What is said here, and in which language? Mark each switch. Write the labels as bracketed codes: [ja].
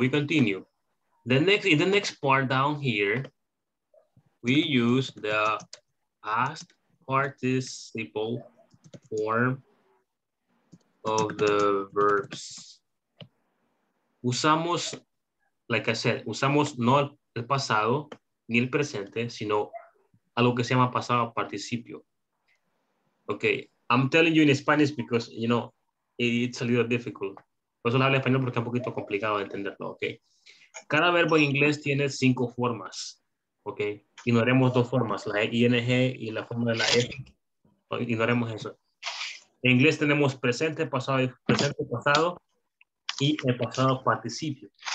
[en] In the next part down here, we use the past participle form of the verbs. [es] Usamos, [en] like I said, [es] usamos no el pasado ni el presente, sino algo que se llama pasado participio. [en] Okay, I'm telling you in Spanish because, you know, it's a little difficult. [es] Por eso lo hablo en español porque es un poquito complicado de entenderlo, okay. Cada verbo en inglés tiene 5 formas, okay. Ignoremos 2 formas, la ing y la forma de la e. Ignoremos eso. En inglés tenemos presente, pasado, y el pasado participio.